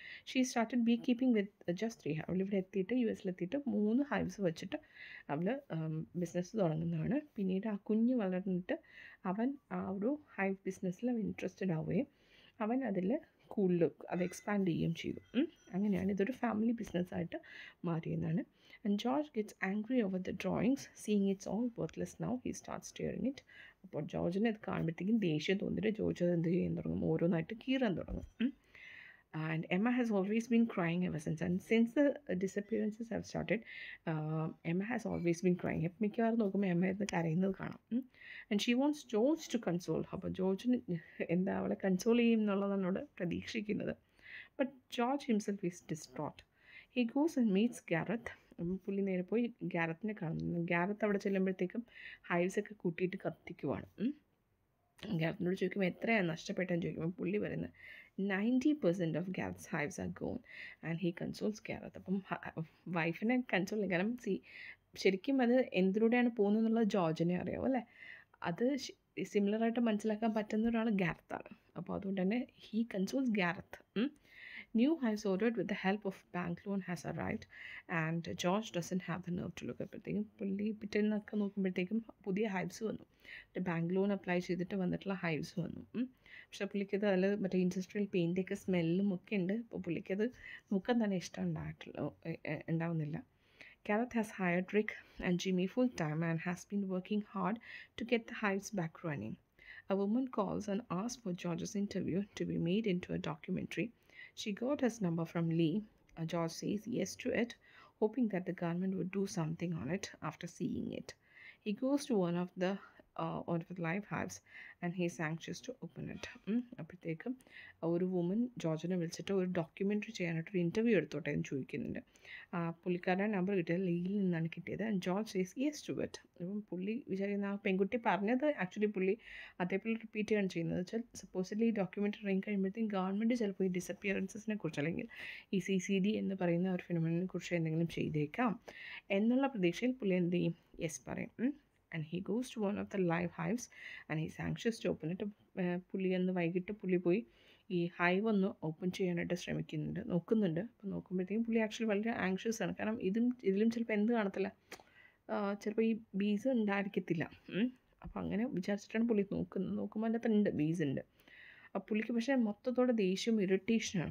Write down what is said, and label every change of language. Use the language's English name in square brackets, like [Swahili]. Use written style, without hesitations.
[English] She started beekeeping with just 3 hives. [Malayalam] അവളിവിടെ എത്തിയിട്ട് USലെത്തിയിട്ട് 3 hives വെച്ചിട്ട് അവൾ ബിസിനസ് തുടങ്ങുന്നതാണ്. പിന്നീട് ആ കുഞ്ഞ് വളർന്നിട്ട് അവൻ ആ ഒരു ഹൈവ് ബിസിനസ്സിൽ അവൻ ഇൻട്രസ്റ്റഡ് ആവുകയും അവൻ അതിൽ കൂടുതൽ അത് എക്സ്പാൻഡ് ചെയ്യുകയും ചെയ്തു. അങ്ങനെയാണ് ഇതൊരു family ബിസിനസ്സായിട്ട് മാറിയതാണ്. [English] And George gets angry over the drawings, seeing it's all worthless now. He starts tearing it. [Malayalam] അപ്പോൾ ജോർജിന് ഇത് കാണുമ്പോഴത്തേക്കും ദേഷ്യം തോന്നിയിട്ട് ജോർജ് എന്ത് ചെയ്യാൻ തുടങ്ങും, ഓരോന്നായിട്ട് കീറാൻ തുടങ്ങും. [English] And Emma has always been crying ever since. And since the disappearances have started, Emma has always been crying. [Malayalam] മിക്കവാറും നോക്കുമ്പോൾ എമ്മ ഇരുന്ന് കരയുന്നത് കാണാം. [English] And she wants George to console her. [Malayalam] അപ്പോൾ ജോർജിന് എന്താ അവളെ കൺസോൾ ചെയ്യും എന്നുള്ളതാണ് അവിടെ പ്രതീക്ഷിക്കുന്നത്. [English] But George himself is distraught. He goes and meets Gareth. [Malayalam] പുള്ളി നേരെ പോയി ഗ്യാരത്തിനെ കാണുന്നു. ഗ്യാരത്ത് അവിടെ ചെല്ലുമ്പോഴത്തേക്കും ഹൈവ്സൊക്കെ കൂട്ടിയിട്ട് കത്തിക്കുവാണ്. ഗ്യാരത്തിനോട് ചോദിക്കുമ്പോൾ എത്രയാണ് നഷ്ടപ്പെട്ടെന്ന് ചോദിക്കുമ്പോൾ പുള്ളി പറയുന്നത് [English] 90% of Gareth's hives are gone and he consoles Gareth. [Malayalam] അപ്പം വൈഫിനെ കൺസോൾ ചെയ്യും, കാരണം സി ശരിക്കും അത് എന്തിലൂടെയാണ് പോകുന്നതെന്നുള്ള ജോർജിനെ അറിയാവും അല്ലേ. അത് സിമിലറായിട്ട് മനസ്സിലാക്കാൻ പറ്റുന്ന ഒരാൾ ഗാരത്താണ്. അപ്പോൾ അതുകൊണ്ട് തന്നെ [English] He consoles Gareth. New has ordered with the help of bank loan has arrived and George doesn't have the nerve to look. [Malayalam] അപ്പോഴത്തേക്കും പുള്ളി പിറ്റേ നിന്നൊക്കെ നോക്കുമ്പോഴത്തേക്കും പുതിയ ഹൈവ്സ് വന്നു, ബാങ്ക് ലോൺ അപ്ലൈ ചെയ്തിട്ട് വന്നിട്ടുള്ള ഹൈവ്സ് വന്നു. പക്ഷേ പുള്ളിക്കത് അതിൽ മറ്റേ ഇൻഡസ്ട്രിയൽ പെയിൻറ്റൊക്കെ സ്മെല്ലും ഒക്കെ ഉണ്ട്. അപ്പോൾ പുള്ളിക്കത് മുഖം തന്നെ ഇഷ്ടം ഉണ്ടാവുന്നില്ല. [English] Gareth has hired Rick and Jimmy full time and has been working hard to get the hives back running. A woman calls and asks for George's interview to be made into a documentary. She got his number from Lee. George says yes to it, hoping that the government would do something on it after seeing it. He goes to one of the live hives and he's anxious to open it. [Malayalam] അപ്പോഴത്തേക്കും ഒരു woman ജോർജിനെ വിളിച്ചിട്ട് ഒരു documentary ചെയ്യാനായിട്ട് ഒരു interview എടുത്തോട്ടെ എന്ന് ചോദിക്കുന്നുണ്ട്. ആ പുള്ളിക്കാരുടെ നമ്പർ കിട്ടിയത് ലീയിൽ നിന്നാണ് കിട്ടിയത്. [English] George says yes to it. [Malayalam] അപ്പം പുള്ളി വിചാരിക്കുന്ന ആ പെൺകുട്ടി പറഞ്ഞത് ആക്ച്വലി പുള്ളി അതേപോലെ റിപ്പീറ്റ് ചെയ്യാണ് ചെയ്യുന്നത്. വെച്ചാൽ സപ്പോസിലി ഈ ഡോക്യുമെൻ്ററി ഇറങ്ങി കഴിയുമ്പോഴത്തേക്കും ഗവൺമെൻറ് ചിലപ്പോൾ ഈ ഡിസപ്പിയറൻസിനെ കുറിച്ച് അല്ലെങ്കിൽ ഈ CCD എന്ന് പറയുന്ന ഒരു ഫിനോമിനെ കുറിച്ച് എന്തെങ്കിലും ചെയ്തേക്കാം എന്നുള്ള പ്രതീക്ഷയിൽ പുള്ളി എന്ത് ചെയ്യും, യെസ് പറയും. [English] And he goes to one of the live hives and he's anxious to open it. [Malayalam] പുലി അന്ന് വൈകിട്ട് പുലി പോയി ഈ ഹൈവ് ഒന്ന് ഓപ്പൺ ചെയ്യാനായിട്ട് ശ്രമിക്കുന്നുണ്ട്, നോക്കുന്നുണ്ട്. അപ്പോൾ നോക്കുമ്പോഴത്തേക്കും പുലി ആക്ച്വലി വളരെ ആങ്ഷ്യസ് ആണ്. കാരണം ഇതിലും ചിലപ്പോൾ എന്ത് കാണത്തില്ല, ചിലപ്പോൾ ഈ ബീസ് ഉണ്ടായിരിക്കത്തില്ല. അപ്പോൾ അങ്ങനെ വിചാരിച്ചിട്ടാണ് പുലി നോക്കുന്നത്. നോക്കുമ്പോൾ അതിൻ്റെ അകത്ത് ഉണ്ട്, ബീസ് ഉണ്ട്. അപ്പോൾ പുള്ളിക്ക് പക്ഷേ മൊത്തത്തോടെ ദേഷ്യവും ഇറിറ്റേഷനാണ്.